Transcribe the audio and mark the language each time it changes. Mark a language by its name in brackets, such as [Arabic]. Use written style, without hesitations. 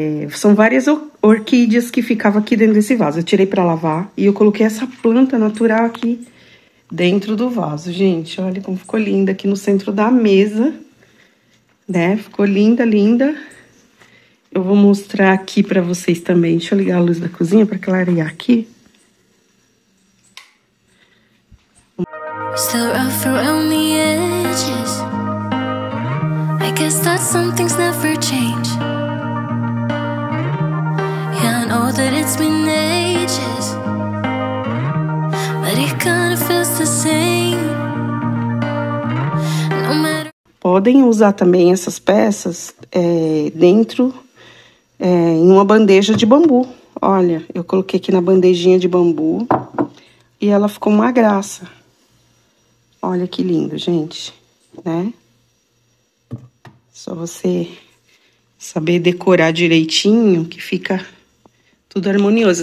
[Portuguese] São várias orquídeas que ficavam aqui dentro desse vaso. Eu tirei pra lavar e eu coloquei essa planta natural aqui dentro do vaso, gente. Olha como ficou linda aqui no centro da mesa, né? Ficou linda, linda. Eu vou mostrar aqui para vocês também. Deixa eu ligar a luz da cozinha para clarear aqui. [English] Still rough around the edges. I guess that some things never change. Yeah, I know that it's been ages, but it kinda feels the same. No matter. [Portuguese] Podem usar também essas peças dentro em uma bandeja de bambu. Olha, eu coloquei aqui na bandejinha de bambu e ela ficou uma graça. Olha que lindo, gente, né? Só você saber decorar direitinho que fica tudo harmonioso.